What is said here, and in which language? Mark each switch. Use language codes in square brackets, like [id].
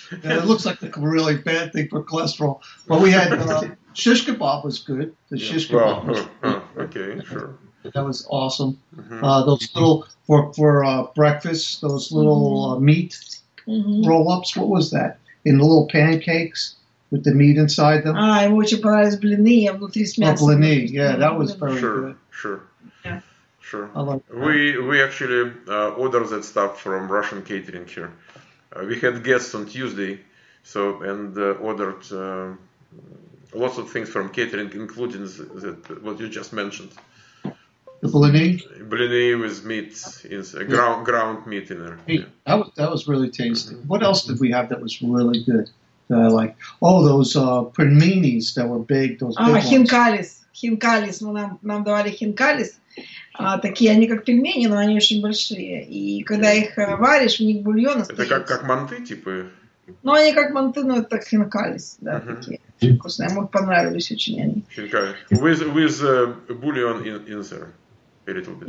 [en] Yeah, it looks like a really bad thing for cholesterol. But we had shish kebab was good. That was awesome. Mm-hmm. Those little for breakfast, those little meat roll ups. What was that? In the little pancakes with the meat inside them. [ru] Ah, ему очень понравились блины, а внутри с мясом. [en] Блины, yeah, that was very good. Sure. We actually order that stuff from Russian catering here. We had guests on Tuesday, so and ordered lots of things from catering, including what you just mentioned. The blini? Blini with meat, ground meat in there. Yeah. That was really tasty. Mm-hmm. What else did we have that was really good that I liked? Oh, those paninis that were big, those big ones. [ru] Хинкалис. Хинкалис. Нам давали хинкалис. Такие они как пельмени, но они очень большие. И когда их варишь, в них бульон остается. Это как манты, типа? Ну, они как манты, но это хинкалис. Да, такие вкусные. Мне понравились очень они. [en] Хинкалис. With bouillon in there. A little bit.